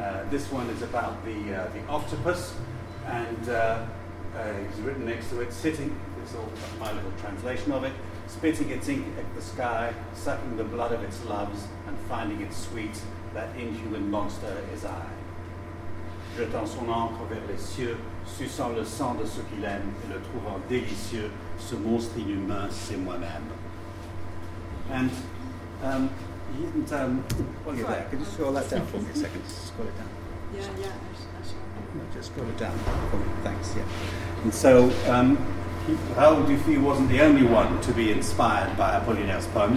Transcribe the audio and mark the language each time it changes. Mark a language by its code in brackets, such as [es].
[en] This one is about the octopus, and he's written next to it, sitting, it's all my little translation of it, spitting its ink at the sky, sucking the blood of its loves, and finding it sweet, that inhuman monster is I. [fr] Jetant son encre vers les cieux, suçant le sang de ceux qu'il aime, et le trouvant délicieux, ce monstre inhumain, c'est moi-même. [en] And, he didn't, well, you're there. Could you scroll that down for me a second? Scroll it down. Yeah, scroll it down for me. Thanks, yeah. And so, Raoul Dufy wasn't the only one to be inspired by Apollinaire's poem.